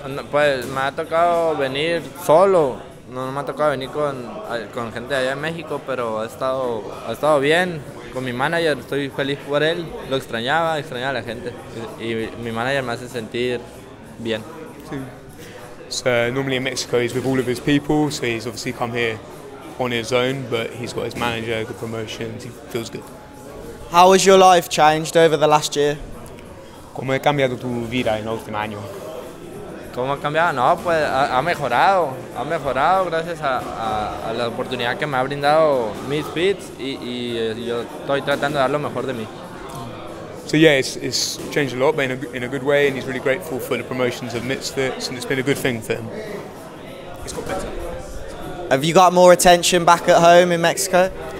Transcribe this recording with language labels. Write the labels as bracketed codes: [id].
[es] Pues me ha tocado venir solo, no me ha tocado venir con gente allá en México, pero ha estado bien con mi manager, estoy feliz por él, lo extrañaba a la gente y mi manager me hace sentir bien. Sí. [en] So normally in Mexico he's with all of his people, so he's obviously come here on his own, but he's got his manager, good promotions, he feels good. How has your life changed over the last year? [es] ¿Cómo ha cambiado tu vida en el último año? ¿Cómo ha cambiado? No, pues ha mejorado gracias a la oportunidad que me ha brindado Misfits y yo estoy tratando de dar lo mejor de mí. [en] So yeah, it's changed a lot, but in a good way, and he's really grateful for the promotions of Misfits, and it's been a good thing for him. He's got better. Have you got more attention back at home in Mexico?